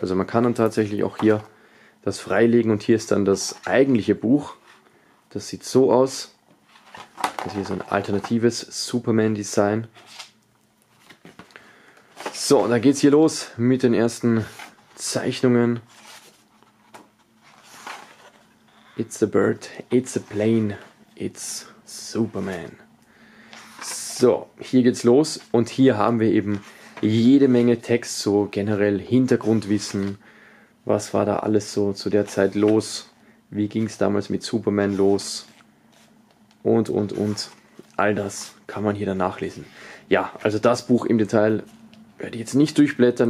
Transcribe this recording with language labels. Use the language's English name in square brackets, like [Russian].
[German] Also man kann dann tatsächlich auch hier das freilegen. Und hier ist dann das eigentliche Buch. Das sieht so aus. Das hier ist ein alternatives Superman-Design. So, da geht's hier los mit den ersten Zeichnungen. [English] It's a bird, it's a plane, it's Superman. [German] So, hier geht's los und hier haben wir eben jede Menge Text, so generell Hintergrundwissen. Was war da alles so zu der Zeit los? Wie ging's damals mit Superman los? Und. All das kann man hier dann nachlesen. Ja, also das Buch im Detail werde ich jetzt nicht durchblättern.